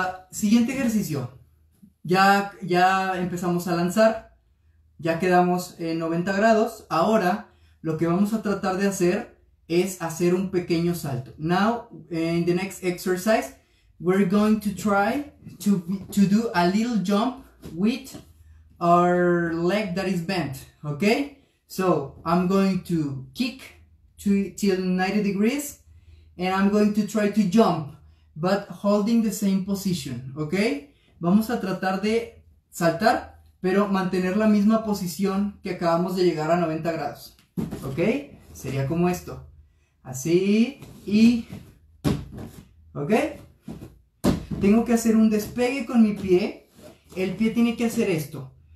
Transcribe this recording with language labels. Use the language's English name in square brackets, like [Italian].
[Spanish] Siguiente ejercicio. Ya empezamos a lanzar. Ya quedamos en 90 grados. Ahora, lo que vamos a tratar de hacer es hacer un pequeño salto. [English] Now, in the next exercise, we're going to try to do a little jump with our leg that is bent, okay? So, I'm going to kick till 90 degrees, and I'm going to try to jump, but holding the same position, okay? [Spanish] Vamos a tratar de saltar, pero mantener la misma posición que acabamos de llegar a 90 grados, okay? Sería como esto. Así, y... okay? Tengo que hacer un despegue con mi pie. El pie tiene que hacer esto.